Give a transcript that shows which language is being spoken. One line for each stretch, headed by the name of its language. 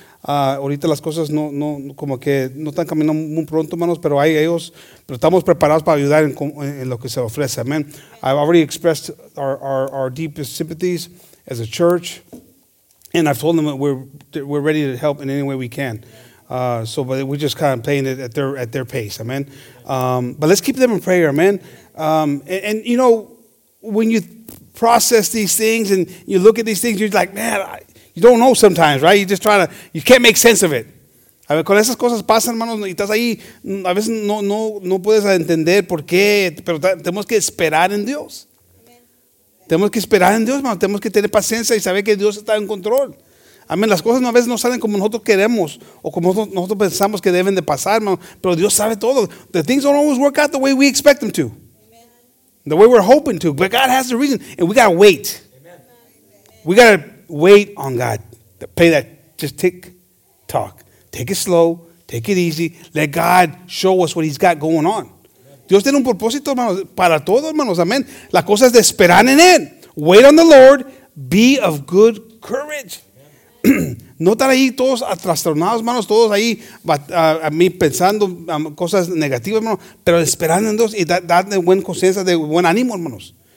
Spanish: Ahorita las cosas no como que no están caminando muy pronto, hermanos, pero hay ellos, pero estamos preparados para ayudar en lo que se ofrece. Amen.
English: I've already expressed our deepest sympathies as a church, and I've told them that we're ready to help in any way we can. So, but we're just kind of playing it at their pace. Amen. But let's keep them in prayer. Amen. And when you process these things and you look at these things, you're like, man. You don't know sometimes, right? You just try to, you can't make sense of it.
Spanish: A ver, con esas cosas pasan, hermanos, y estás ahí, a veces no puedes entender por qué, pero tenemos que esperar en Dios. Amen. Tenemos que esperar en Dios, hermano. Tenemos que tener paciencia y saber que Dios está en control. Amén. Las cosas no a veces no salen como nosotros queremos o como nosotros pensamos que deben de pasar, hermano. Pero Dios sabe todo.
English: The things don't always work out the way we expect them to. Amen. The way we're hoping to. But God has the reason. And we got to wait. Amen. We got to wait on God. To pay that. Just tick tock. Take it slow. Take it easy. Let God show us what he's got going on.
Spanish: Dios tiene un propósito, hermanos, para todo, hermanos. Amén. La cosa es de esperar en él.
English: Wait on the Lord. Be of good courage.
Spanish: No estar ahí todos atrastornados, hermanos, todos ahí a mí pensando cosas negativas, hermanos, pero esperando en Dios y darle buena conciencia, de buen ánimo, hermanos.